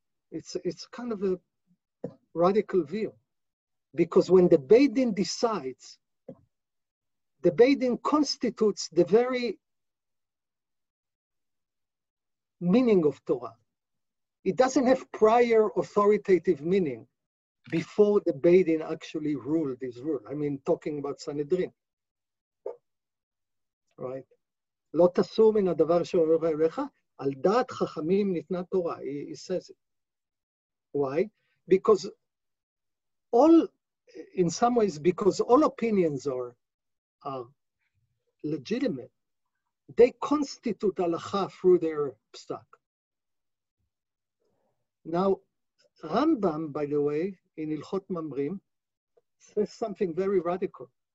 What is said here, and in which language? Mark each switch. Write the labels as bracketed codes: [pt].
[en] It's kind of a radical view. Because when the Beit Din decides, the Beit Din constitutes the very meaning of Torah. It doesn't have prior authoritative meaning before the Beit Din actually ruled this rule. I mean, talking about Sanhedrin, right? [he] לא תסור מן הדבר שאומר אליך, על דעת חכמים ניתנה תורה. [en] He says it. Why? Because all, in some ways, because all opinions are legitimate, they constitute halacha through their psak. Now, Rambam, by the way, in Ilchot Mamrim, says something very radical.